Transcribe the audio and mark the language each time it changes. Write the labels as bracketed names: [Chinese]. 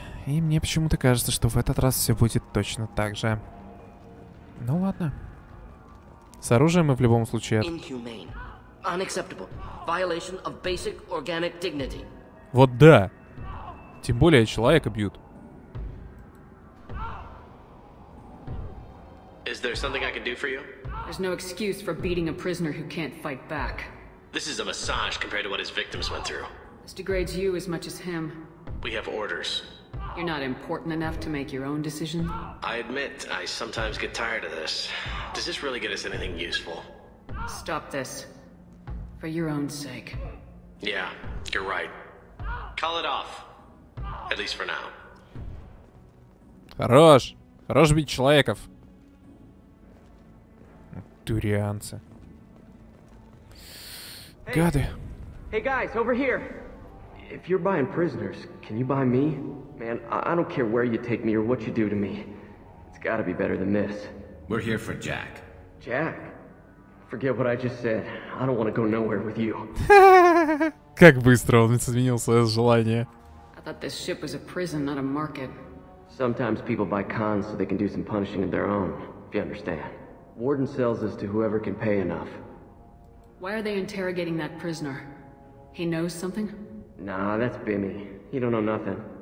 [Russian] И мне почему-то кажется, что в этот раз все будет точно так же. Ну ладно. С оружием мы в любом случае... [English] Unacceptable. Violation of basic organic dignity. [Russian] Вот да. Тем более человека бьют. [English] Is there something I can do for you? There's no excuse for beating a prisoner who can't fight back. This is a massage compared to what his victims went through. This degrades you as much as him. We have orders. You're not important enough to make your own decision? I admit, I sometimes get tired of this. Does this really get us anything useful? Stop this. For your own sake. Yeah, you're right. Call it off. At least for now. [Russian] Хорош! Хорош бить человеков! Турианцы. Гады. [English] Hey guys, over here! If you're buying prisoners, can you buy me? Man, I don't care where you take me or what you do to me. It's gotta be better than this. We're here for Jack. Jack? Forget what I just said. I don't want to go nowhere with you. [Russian] Как быстро он изменил свое желание. [English] I thought this ship was a prison, not a market. Sometimes people buy cons so they can do some punishing of their own, if you understand. Warden sells us to whoever can pay enough. Why are they interrogating that prisoner? He knows something? Nah, that's Bimmy. He don't know nothing.